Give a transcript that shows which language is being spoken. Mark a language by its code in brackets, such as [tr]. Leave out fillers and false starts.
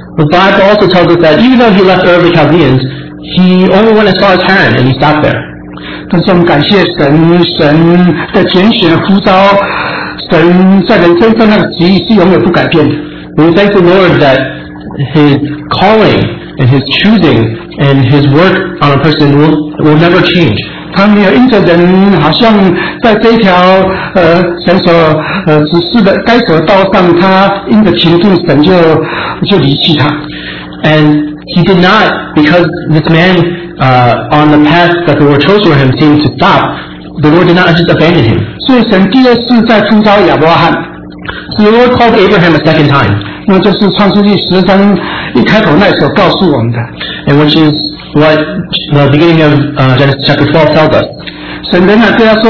[en] The Bible also tells us that even though he left Ur of the Chaldeans, he only went as far as Haran and he stopped there. [zh] 但是我们感谢神，神的拣选呼召，神在人身上的旨意是永远不改变的。 [en] We thank the Lord that his calling and his choosing and his work on a person will never change. [zh] 他没有因着人好像在这条神所指示的该走的道上，他因着情动神就离弃他。 [en] And he did not, because this man on the path that the Lord chose for him seemed to stop, the Lord did not just abandon him. [zh] 所以神第二次再呼召亚伯拉罕。 [en] So the Lord called Abraham a second time. [zh] 那就是创世纪十章一开头那所告诉我们的。 [en] And which is what the beginning of Genesis chapter 12 tells us.